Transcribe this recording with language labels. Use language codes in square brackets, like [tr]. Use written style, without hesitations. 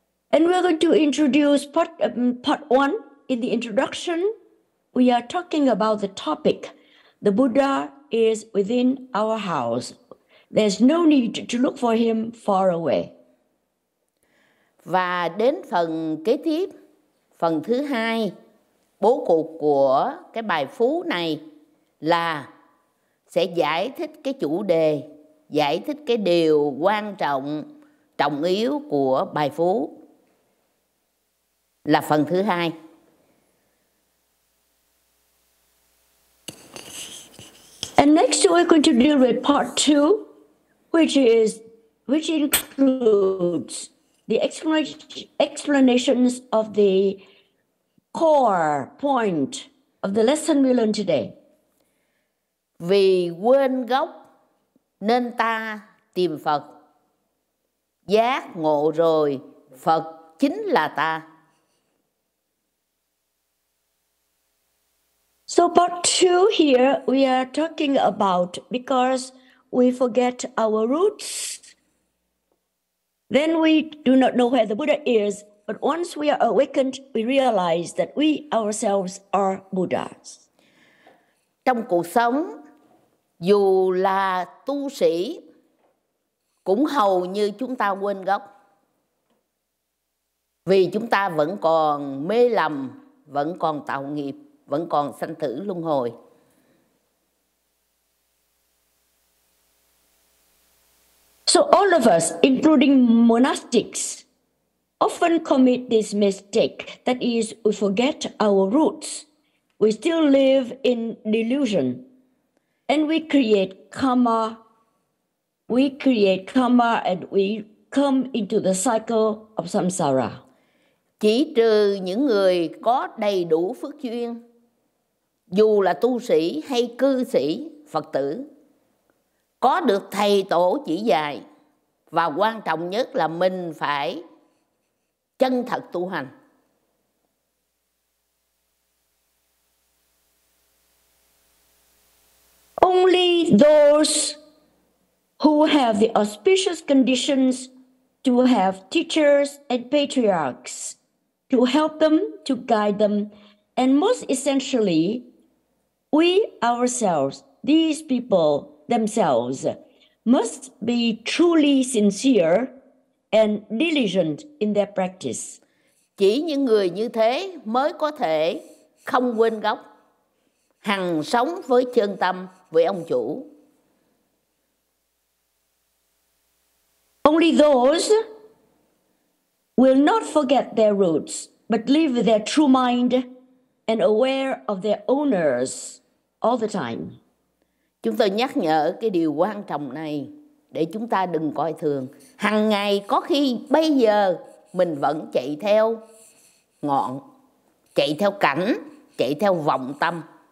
[en] And we are going to introduce part 1 in the introduction. We are talking about the topic, the Buddha is within our house. There's no need to look for him far away. [vi] Và đến phần kế tiếp, phần thứ hai, bố cục của cái bài phú này là sẽ giải thích cái chủ đề, giải thích cái điều quan trọng, trọng yếu của bài phú. Là phần thứ hai. [en] And next we're going to deal with part two, which includes the explanations of the core point of the lesson we learned today. [vi] Vì quên gốc nên ta tìm Phật. Giác ngộ rồi, Phật chính là ta. [en] So part two here we are talking about because we forget our roots. Then we do not know where the Buddha is, but once we are awakened, we realize that we ourselves are Buddhas. [vi] Trong cuộc sống, dù là tu sĩ, cũng hầu như chúng ta quên gốc. Vì chúng ta vẫn còn mê lầm, vẫn còn tạo nghiệp, vẫn còn sanh tử luân hồi. [en] So all of us, including monastics, often commit this mistake. That is, we forget our roots. We still live in delusion. And we create karma. We create karma and we come into the cycle of samsara. [vi] Chỉ trừ những người có đầy đủ phước duyên, dù là tu sĩ hay cư sĩ, Phật tử, có được thầy tổ chỉ dạy, và quan trọng nhất là mình phải chân thật tu hành. [en] Only those who have the auspicious conditions to have teachers and patriarchs to help them, to guide them, and most essentially, we ourselves, these people themselves, must be truly sincere and diligent in their practice. [vi] Chỉ những người như thế mới có thể không quên gốc, hằng sống với chân tâm với ông chủ. [en] Only those will not forget their roots, but live with their true mind and aware of their owners all the time. [vi] Chúng tôi nhắc nhở cái điều quan trọng này để chúng ta đừng coi thường. Hằng ngày có khi bây giờ mình vẫn chạy theo ngọn, chạy theo cảnh, chạy theo vọng tâm.